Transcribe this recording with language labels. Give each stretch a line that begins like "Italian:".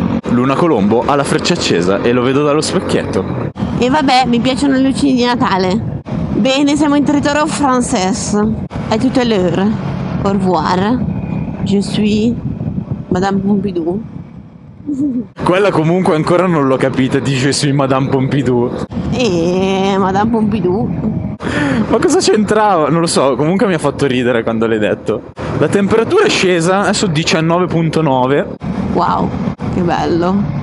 Italian: Luna Colombo ha la freccia accesa e lo vedo dallo specchietto. E vabbè, mi piacciono le luci di Natale. Bene, siamo in territorio francese.
French: A tout à l'heure. Au revoir. Je suis Madame Pompidou.
Italian: Quella comunque ancora non l'ho capita, dice sui Madame Pompidou.
French: Madame Pompidou.
Italian: Ma cosa c'entrava? Non lo so, comunque mi ha fatto ridere quando l'hai detto. La temperatura è scesa, adesso 19.9. Wow, che bello.